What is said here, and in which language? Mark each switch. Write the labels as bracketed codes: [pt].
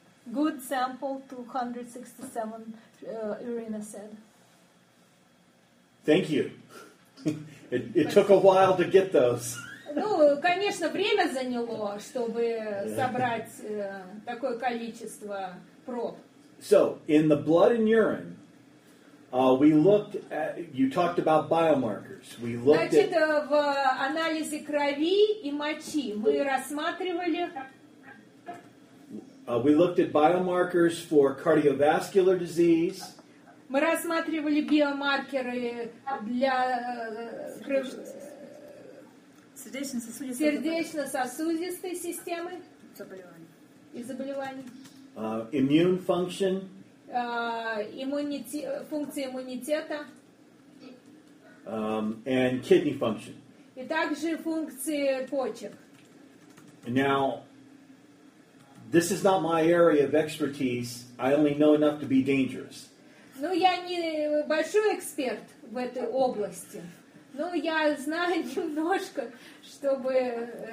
[en] Good sample, 267, Irina said. Thank you. It took a while to get those. [ru] Ну, конечно, время заняло, чтобы собрать такое количество проб. [en] So, in the blood and urine, we looked at, you talked about biomarkers. We looked [ru] Значит, [en] at... [ru] в анализе крови и мочи мы рассматривали... [en] We looked at biomarkers for cardiovascular disease. [ru] Мы рассматривали биомаркеры для сердечно-сосудистой системы заболеваний. И заболеваний. [en] Immune function. [ru] Функция иммунитета. [en] And kidney function. [ru] И также функции почек. [en] Now, this is not my area of expertise. I only know enough to be dangerous. [ru] Ну, я не большой эксперт в этой области. Ну, я знаю немножко, чтобы...